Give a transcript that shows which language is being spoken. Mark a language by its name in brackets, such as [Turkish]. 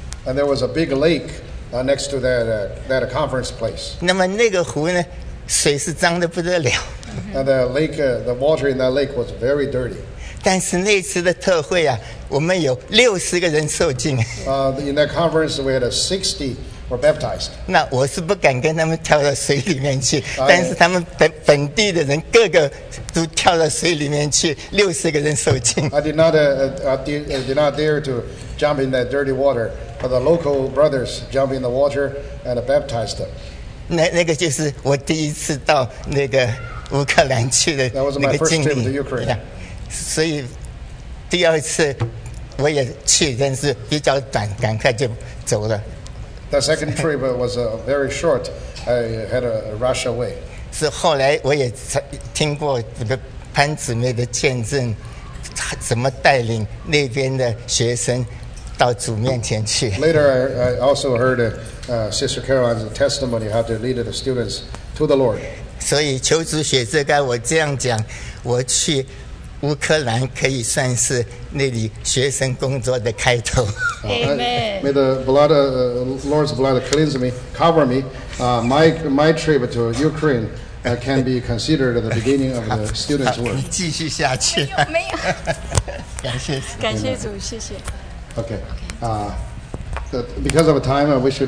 [English] ，and there was a big lake next to that conference place. [Chinese] 那么那个湖呢，水是脏的不得了。 [English] And the lake, the water in that lake was very dirty. [Chinese] 但是那次的特会啊，我们有60个人受浸。 [English] In that conference, we had 60 were baptized. [Chinese] 那我是不敢跟他们跳到水里面去，但是他们本地的人个个。都跳到水里面去，60个人受浸。 [English] I did not, I did not dare to jump in that dirty water, but the local brothers jumped in the water and baptized them. [Chinese] 那个就是我第一次到那个乌克兰去的那个经历。 [English] That was my first trip to Ukraine. Yeah. [Chinese] 所以第二次我也去，但是比较短，赶快就走了。 [English] The second trip was very short. I had a rush away. [Chinese] 是后来我也听过这个潘姊妹的见证，她怎么带领那边的学生到主面前去。 [English] Later, I also heard Sister Caroline's testimony how to lead the students to the Lord. [Chinese] 所以求主写这个，我这样讲，我去乌克兰可以算是那里学生工作的开头。 [English] Amen. May the blood, Lord's blood, cleanse me, cover me. My trip to Ukraine can be considered the beginning of the student's work. [Chinese] 继续下去。没有。感谢主，谢谢。 [English] Okay. Because of time, we should.